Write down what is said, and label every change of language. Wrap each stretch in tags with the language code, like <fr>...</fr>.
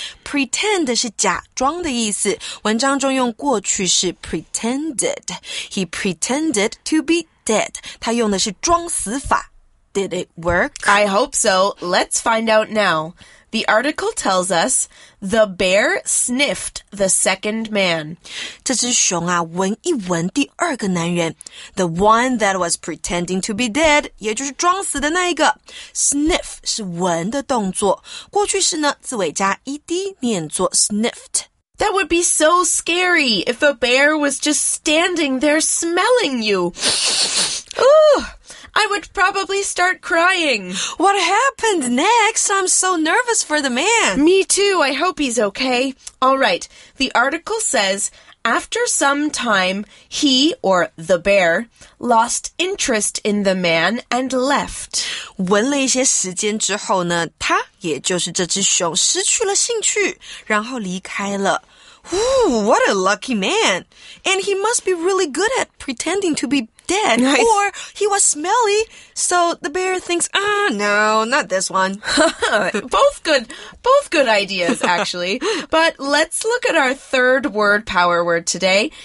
<zh>Pretend 是假装的意思。文章中用过去式 pretended.</zh> <en>He pretended to be dead.</en> <zh>他用的是装死法。</zh> <en>Did it work? I hope so. Let's find out now. The article tells us, the bear sniffed the second man.</en> <zh>这只熊啊，闻一闻第二个男人。</zh> <en>The one that was pretending to be dead,</en> <zh>也就是装死的那一个。 Sniff 是闻的动作。过去式呢，字尾加 ed 念作 sniffed。</zh> <en>That would be so scary if a bear was just standing there smelling you. Ooh, I would probably start crying. What happened next? I'm so nervous for the man. Me too. I hope he's okay. All right. The article says, after some time, he, or the bear, lost interest in the man and left.</en> <zh>闻了一些时间之后呢，他也就是这只熊失去了兴趣，然后离开了。</zh> <en>Ooh, what a lucky man. And he must be really good at pretending to be dead. Or he was smelly, so the bear thinks, ah, no, not this one. Both good ideas, actually. But let's look at our third word power word today.</en>